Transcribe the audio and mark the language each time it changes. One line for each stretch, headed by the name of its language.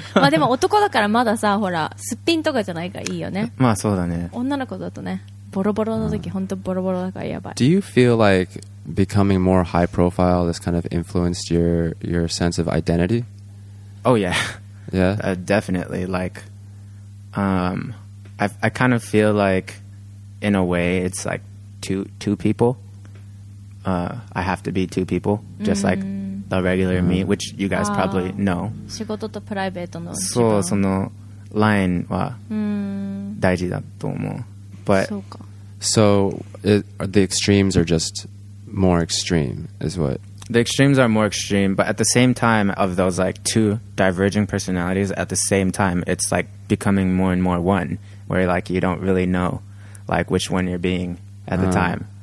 Japanese: まあでも男だからまださ、ほら、すっぴんとかじゃないかいいよね。まあそうだね。女の子だとね、ボロボロの時、本当ボロボロだからやばい。
English: Do you feel like becoming more high profile has kind of influenced your sense of identity? Oh yeah, yeah. Definitely. Like, I kind of feel like, in a way, it's like two people. I have to be two people, just like the regular me, which you guys probably know.
Japanese: 仕事とプライベートの。そう、そのラインは大事だと思う。
English: But so the extremes are just more extreme, is what. The extremes are more extreme, but at the same time of those like two diverging personalities, at the same time, it's like becoming more and more one, where like you don't really know like which one you're being at the time.